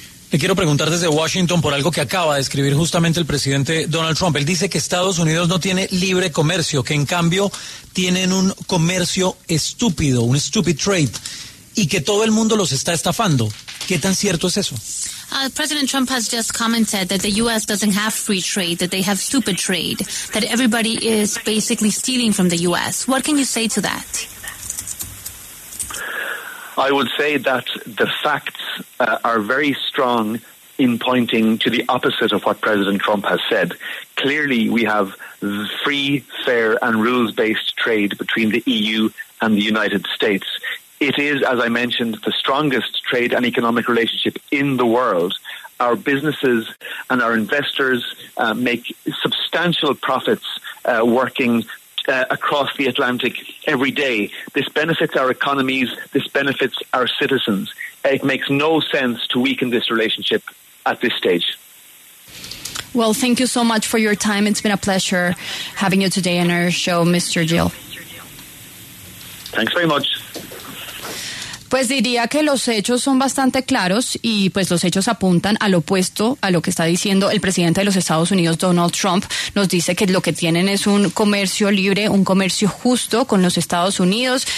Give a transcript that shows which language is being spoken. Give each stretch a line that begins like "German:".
Spanish: Le quiero preguntar desde Washington por algo que acaba de escribir justamente el presidente Donald Trump. Él dice que Estados Unidos no tiene libre comercio, que en cambio tienen un comercio estúpido, un
English: stupid trade,
Spanish: y que todo el mundo los está estafando. ¿Qué tan cierto es eso?
English: President Trump has just commented that the U.S. doesn't have free trade, that they have stupid trade, that everybody is basically stealing from the U.S. What can you say to that? I would say that the facts are very strong in pointing to the opposite of what President Trump has said. Clearly, we have free, fair, and rules-based trade between the EU and the United States. It is, as I mentioned, the strongest trade and economic relationship in the world. Our businesses and our investors make substantial profits working across the Atlantic every day. This benefits our economies, this benefits our citizens. It makes no sense to weaken this relationship at this stage. Well, thank you so much for your time. It's been a pleasure having you today on our show, Mr. Gill. Thanks very much.
Spanish: Pues diría que los hechos son bastante claros y pues los hechos apuntan al opuesto a lo que está diciendo el presidente de los Estados Unidos, Donald Trump. Nos dice que lo que tienen es un comercio libre, un comercio justo con los Estados Unidos.